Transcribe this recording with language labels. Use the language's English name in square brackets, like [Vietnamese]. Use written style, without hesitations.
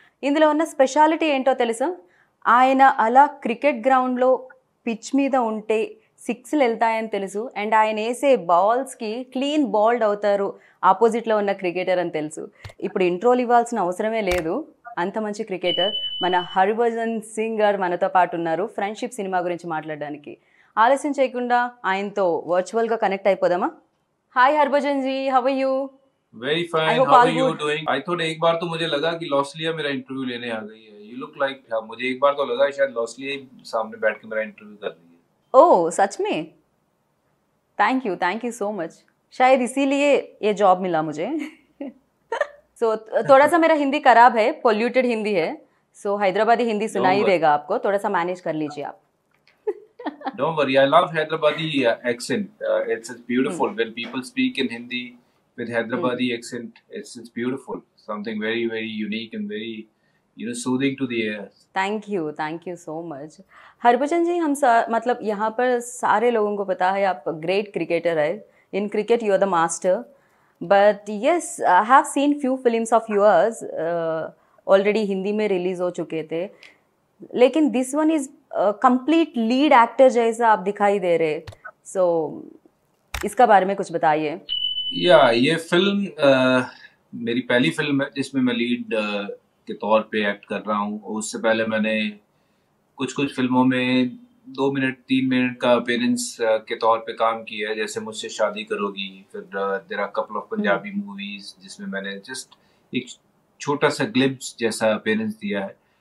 [Telugu] ఇందులో ఉన్న స్పెషాలిటీ ఏంటో తెలుసా? ఆయన అలా క్రికెట్ గ్రౌండ్లో పిచ్ మీద ఉంటే సిక్స్లు వెళ్తాయని తెలుసు, అండ్ ఆయన వేసే బాల్స్కి క్లీన్ బాల్డ్ అవుతారు ఆపోజిట్లో ఉన్న క్రికెటర్ అని తెలుసు. ఇప్పుడు ఇంట్రోలు ఇవ్వాల్సిన అవసరమే లేదు, అంత మంచి క్రికెటర్ మన హర్భజన్ సింగ్ గారు మనతో పాటు ఉన్నారు ఫ్రెండ్షిప్ సినిమా గురించి మాట్లాడడానికి. ఆలస్యం చేయకుండా ఆయనతో వర్చువల్గా connect అయిపోదామా? [English] Hi Harbhajan ji, how are you? Very fine. How are you doing? I thought [Hindi] एक बार तो मुझे लगा कि लॉस्लिया मेरा इंटरव्यू लेने आ गई है. [English] You look like [Hindi] हाँ, मुझे एक बार तो लगा शायद लॉस्लिया सामने बैठ के मेरा इंटरव्यू कर रही है. [English] Oh, [Hindi] सच में? [English] Thank you so much. [Hindi] शायद इसीलिए ये जॉब मिला मुझे. So थोड़ा सा मेरा हिंदी खराब है, पोल्यूटेड हिंदी है. So हैदराबादी हिंदी सुनाई देगा आपको, थोड़ा सा मैनेज कर लीजिए आप. [English] Don't worry. I love Hyderabadi accent. It's beautiful when people speak in Hindi. With Hyderabadi accent, it's beautiful. Something very, very unique and very, you know, soothing to the ears. Thank you so much. [Hindi] Harbhajan ji, हम सार मतलब यहाँ पर सारे लोगों को पता है आप [English] great cricketer [Hindi] हैं. [English] In cricket, you are the master. But yes, I have seen few films of yours already Hindi [Hindi] में release हो चुके थे. लेकिन [English] this one is complete lead actor [Hindi] जैसा आप दिखाई दे रहे. So इसका बारे में कुछ बताइए. या ये फिल्म मेरी पहली फिल्म है जिसमें मैं लीड के तौर पे एक्ट कर रहा हूँ. उससे पहले मैंने कुछ कुछ फिल्मों में 2-3 मिनट का अपीयरेंस के तौर पे काम किया है, जैसे मुझसे शादी करोगी, फिर [English] there are couple of Punjabi movies [Hindi] जिसमें मैंने जस्ट एक छोटा सा ग्लिम्प्स जैसा अपीयरेंस दिया है.